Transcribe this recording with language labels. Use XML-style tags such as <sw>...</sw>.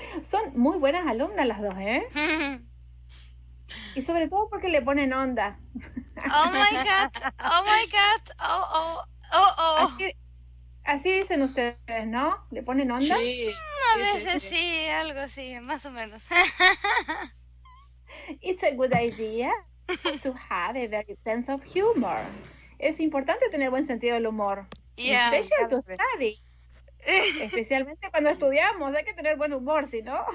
<es>Son muy buenas alumnas las dos, ¿eh? Y sobre todo porque le ponen onda.</es> <en>Oh my God. Oh my God. Oh, oh. Oh, oh.</en> <es>Así, así dicen ustedes, ¿no? ¿Le ponen onda? Sí. A veces sí, sí, algo así, más o menos.</es> <en>It's a good idea to have a very sense of humor.</en> <es>Es importante tener buen sentido del humor.</es> <en>Yeah. Especially to study.</en> <es>Especialmente cuando estudiamos, hay que tener buen humor, si no.</es>